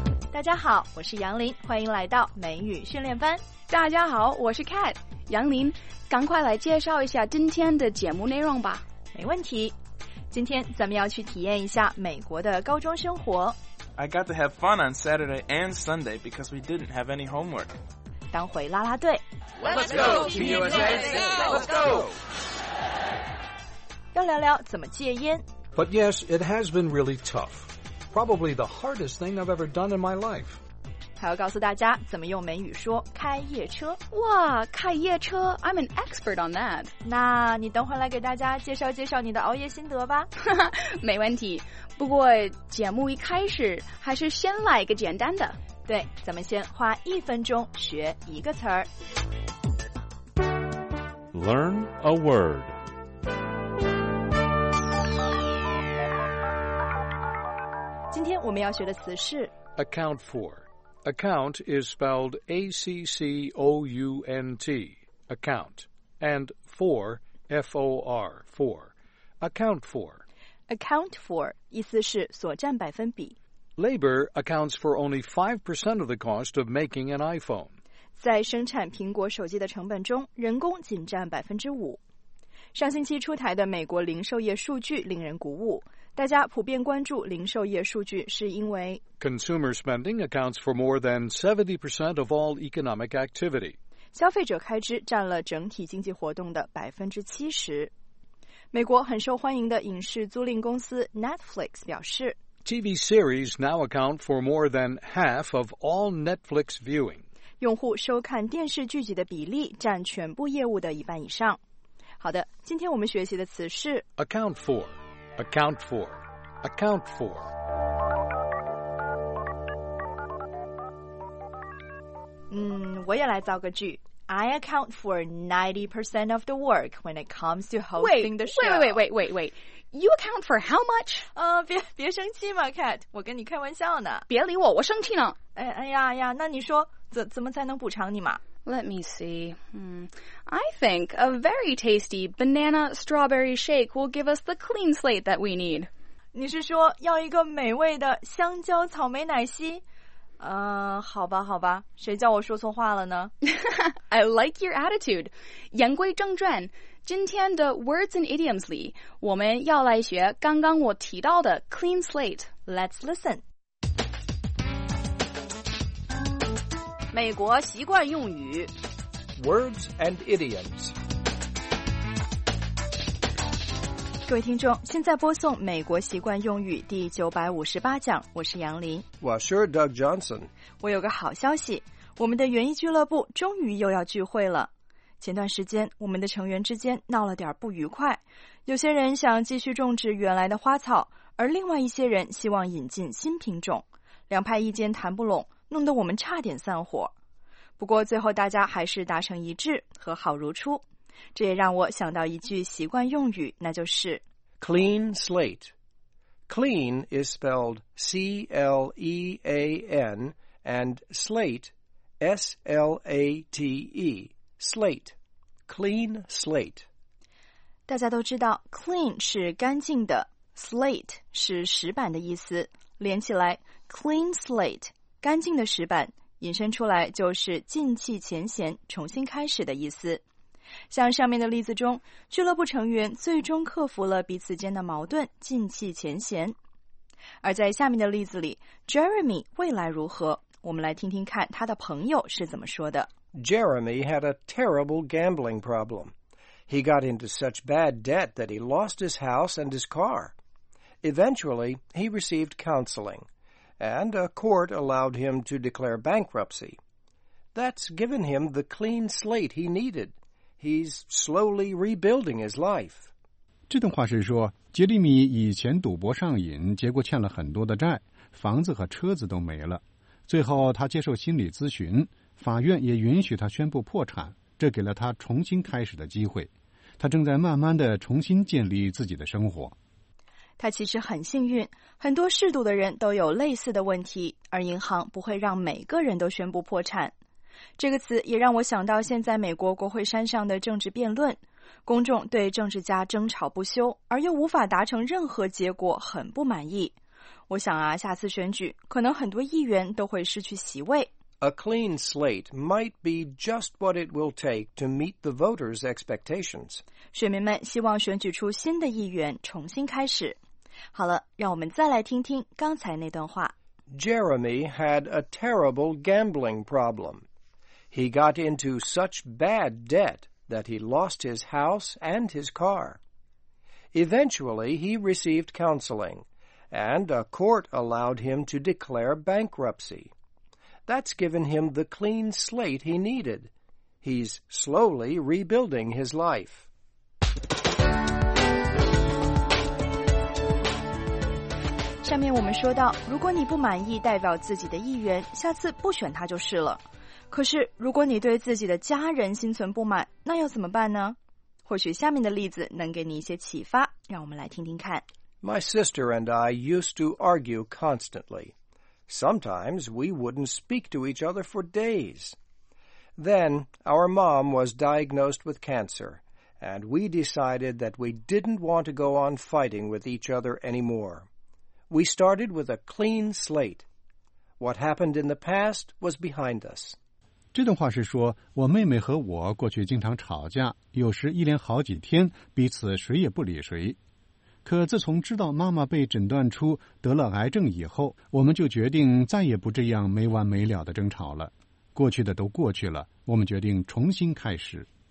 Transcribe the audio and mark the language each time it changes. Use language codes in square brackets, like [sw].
[zh] 大家好，我是杨林，欢迎来到美语训练班。大家好，我是 Cat。杨林，赶快来介绍一下今天的节目内容吧。没问题，今天咱们要去体验一下美国的高中生活。 [en] I got to have fun on Saturday and Sunday because we didn't have any homework. [zh] 当回啦啦队。 [en] Let's go Team USA, let's go。 [zh] 要聊聊怎么戒烟。 [en] But yes, it has been really tough. Probably the hardest thing I've ever done in my life. [zh] 还要告诉大家怎么用美语说开夜车。哇，开夜车， [en] I'm an expert on that. [zh] 那你等会来给大家介绍介绍你的熬夜心得吧。没问题，不过节目一开始还是先来一个简单的。对，咱们先花一分钟学一个词儿。 [en] Learn a word. [zh] 今天我们要学的词是 [en] Account for。 Account is spelled A-C-C-O-U-N-T, account, and for, F-O-R, for, account for. [zh] Account for, 意思是所占百分比。 [en] Labor accounts for only 5% of the cost of making an iPhone. [zh] 在生产苹果手机的成本中，人工仅占5%。上星期出台的美国零售业数据令人鼓舞。大家普遍关注零售业数据是因为 [en] Consumer spending accounts for more than 70% of all economic activity. [zh] 消费者开支占了整体经济活动的70%。美国很受欢迎的影视租赁公司 Netflix 表示 [en] TV series now account for more than half of all Netflix viewing. [zh] 用户收看电视剧集的比例占全部业务的一半以上。好的，今天我们学习的词是 [en] Account for。 Account for, account for. [zh] 我也来造个句。 [en] I account for 90% of the work when it comes to hosting the show. Wait. You account for how much? [zh] 别生气嘛 ,Cat, 我跟你开玩笑呢。别理我，我生气呢。哎呀，那你说怎么才能补偿你嘛？ [en] Let me see. I think a very tasty banana strawberry shake will give us the clean slate that we need. [zh] 你是说要一个美味的香蕉草莓奶昔？好吧，谁叫我说错话了呢？ [en] I like your attitude. [zh] 言归正传，今天的 Words and Idioms 里，我们要来学刚刚我提到的 clean slate. [en] Let's listen. [zh] 美国习惯用语 [en] Words and Idioms。 [zh] 各位听众，现在播送美国习惯用语第958讲，我是杨林。 [en] Well, sure, Doug Johnson. [zh] 我有个好消息，我们的园艺俱乐部终于又要聚会了。前段时间我们的成员之间闹了点不愉快，有些人想继续种植原来的花草，而另外一些人希望引进新品种，两派意见谈不拢，弄得我们差点散伙。不过最后大家还是达成一致，和好如初。这也让我想到一句习惯用语，那就是 [en] Clean slate. Clean is spelled C-L-E-A-N and slate S-L-A-T-E. Slate. Clean slate. [zh] 大家都知道 clean 是干净的， slate 是石板的意思，连起来 clean slate. 干净的石板，引申出来就是静气前嫌，重新开始的意思。像上面的例子中，俱乐部成员最终克服了彼此间的矛盾，静气前嫌。而在下面的例子里， Jeremy 未来如何，我们来听听看他的朋友是怎么说的。 [en] Jeremy had a terrible gambling problem. He got into such bad debt that he lost his house and his car. Eventually, he received counseling. And a court allowed him to declare bankruptcy. That's given him the clean slate he needed. He's slowly rebuilding his life. [zh] 这段话是说，杰里米以前赌博上瘾，结果欠了很多的债，房子和车子都没了。最后他接受心理咨询，法院也允许他宣布破产，这给了他重新开始的机会。他正在慢慢地重新建立自己的生活。他其实很幸运，很多嗜赌的人都有类似的问题，而银行不会让每个人都宣布破产。这个词也让我想到现在美国国会山上的政治辩论，公众对政治家争吵不休，而又无法达成任何结果，很不满意。我想啊，下次选举，可能很多议员都会失去席位。 [en] A clean slate might be just what it will take to meet the voters' expectations. [zh] 选民们希望选举出新的议员，重新开始。好了，让我们再来听听刚才那段话。 [en] Jeremy had a terrible gambling problem. He got into such bad debt that he lost his house and his car. Eventually, he received counseling. And a court allowed him to declare bankruptcy. That's given him the clean slate he needed. He's slowly rebuilding his life. [zh] 下面我们说到，如果你不满意代表自己的议员，下次不选他就是了。可是，如果你对自己的家人心存不满，那要怎么办呢？或许下面的例子能给你一些启发，让我们来听听看。 [en] My sister and I used to argue constantly. Sometimes we wouldn't speak to each other for days. Then our mom was diagnosed with cancer, and we decided that we didn't want to go on fighting with each other anymore. We started with a clean slate. What happened in the past was behind us. [zh] 这段话是说，我妹妹和我过去经常吵架，有时一连好几天，彼此谁也不理谁。可自从知道妈妈被诊断出得了癌症以后，我们就决定再也不这样没完没了的争吵了。过去的都过去了，我们决定重新开始。